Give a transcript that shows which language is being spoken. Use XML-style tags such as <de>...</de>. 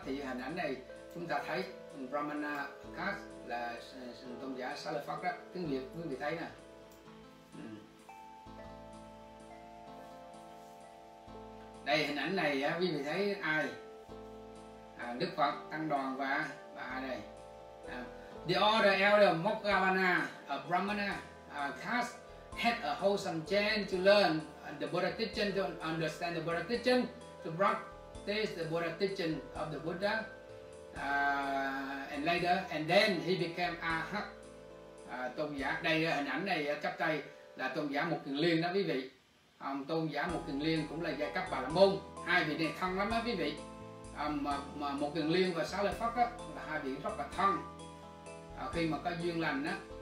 <vi>Thì hình ảnh này chúng ta thấy Brahmana caste là tôn giả Sa Lợi Phất đó, tiếng Việt quý vị thấy nè. Đây hình ảnh này quý vị thấy ai? Đức Phật, tăng đoàn và ai đây?</vi> <en>The other elder Moggallana of Brahmana caste had a wholesome chance to learn the Buddha teaching, to understand the Buddha teaching, to practice the Buddha teaching of the Buddha, and then he became Arhat.</en> <vi>Tôn giả đây hình ảnh này chắp tay là tôn giả Mục Kiền Liên đó quý vị. Tôn giả Mục Kiền Liên cũng là giai cấp Bà La Môn, hai vị này thân lắm đó quý vị. Mà Mục Kiền Liên và Sa Lợi Phất á, là hai vị rất là thân. Khi mà có duyên lành á,</vi>